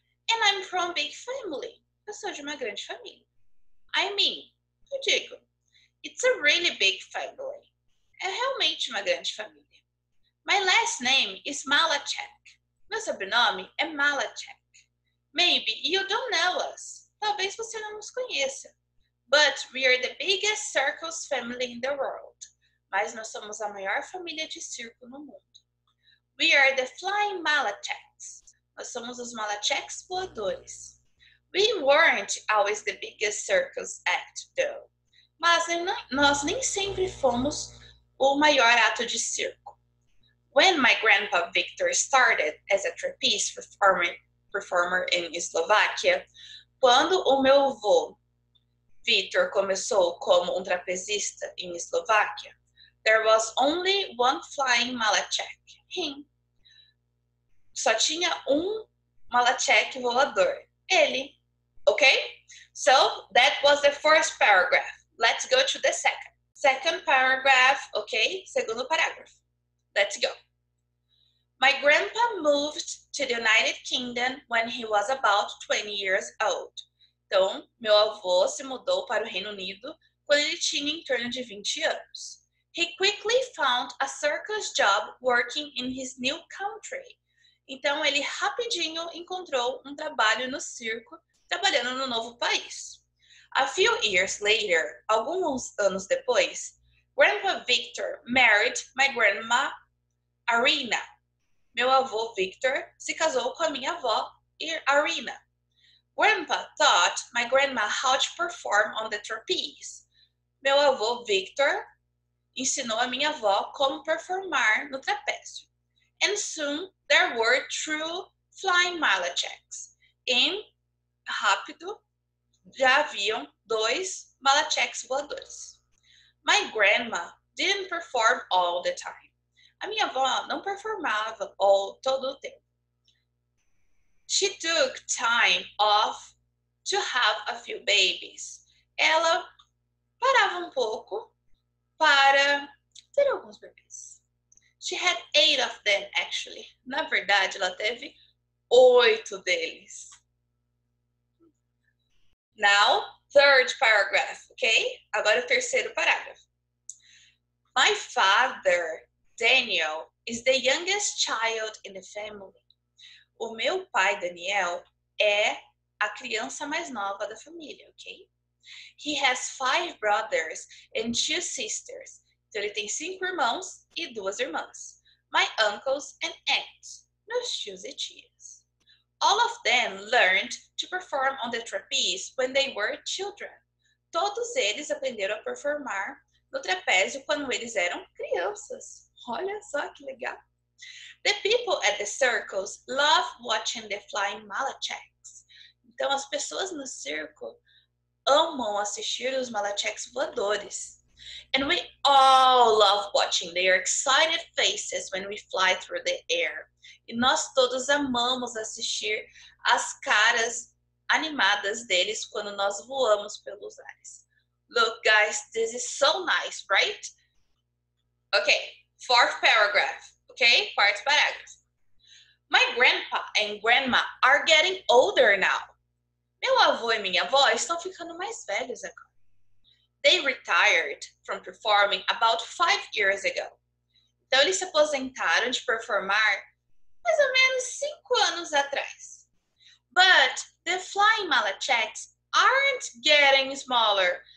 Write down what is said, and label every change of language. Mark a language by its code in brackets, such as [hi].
[en] And I'm from big family. [pt] Eu sou de uma grande família. [en] I mean, [pt] eu digo, [en] it's a really big family. [pt] É realmente uma grande família. [en] My last name is Malachek. [pt] Meu sobrenome é Malachek. [en] Maybe you don't know us. [pt] Talvez você não nos conheça. [en] But we are the biggest circus family in the world. [pt] Mas nós somos a maior família de circo no mundo. [en] We are the flying Malacheks. [pt] Nós somos os Malacheks voadores. [en] We weren't always the biggest circus act, though. [pt] Mas nós nem sempre fomos o maior ato de circo. [en] When my grandpa Victor started as a trapeze performer in Slovakia, [pt] quando o meu avô Victor começou como trapezista em Eslováquia, [en] there was only one flying Malachek. Him. [pt] Só tinha Malachek voador. Ele. Okay? [en] So, that was the first paragraph. Let's go to the second. Second paragraph, okay? Segundo paragraph. Let's go. My grandpa moved to the United Kingdom when he was about 20 years old. [pt] Então, meu avô se mudou para o Reino Unido quando ele tinha em torno de 20 anos. [en] He quickly found a circus job working in his new country. [pt] Então, ele rapidinho encontrou trabalho no circo, trabalhando no novo país. [en] A few years later, [pt] alguns anos depois, [en] Grandpa Victor married my grandma Irina. [pt] Meu avô Victor se casou com a minha avó Irina. [en] Grandpa taught my grandma how to perform on the trapeze. [pt] Meu avô Victor ensinou a minha avó como performar no trapézio. [en] And soon there were 2 flying Malacheks. [pt] Em rápido já haviam 2 Malacheks voadores. [en] My grandma didn't perform all the time. [pt] A minha avó não performava todo o tempo. [en] She took time off to have a few babies. [pt] Ela parava pouco para ter alguns bebês. [en] She had 8 of them, actually. [pt] Na verdade, ela teve 8 deles. [en] Now, third paragraph, okay? [pt] Agora o terceiro parágrafo. [en] My father, Daniel, is the youngest child in the family. [pt] O meu pai, Daniel, é a criança mais nova da família, ok? [en] He has 5 brothers and 2 sisters. [pt] Então, ele tem 5 irmãos e 2 irmãs. [en] My uncles and aunts. [pt] Meus tios e tias. [en] All of them learned to perform on the trapeze when they were children. [pt] Todos eles aprenderam a performar no trapézio quando eles eram crianças. Olha só que legal. [en] The people at the circles love watching the flying malachecks. [pt] Então, as pessoas no circo amam assistir os malachecks voadores. [en] And we all love watching their excited faces when we fly through the air. [pt] E nós todos amamos assistir as caras animadas deles quando nós voamos pelos ares. [en] Look, guys, this is so nice, right? Okay, 4th paragraph. Okay, 4th paragraph. My grandpa and grandma are getting older now. [pt] Meu avô e minha avó estão ficando mais velhos agora. [en] They retired from performing about 5 years ago. [pt] Então, eles se aposentaram de performar mais ou menos 5 anos atrás. [en] But the flying malachecks aren't getting smaller.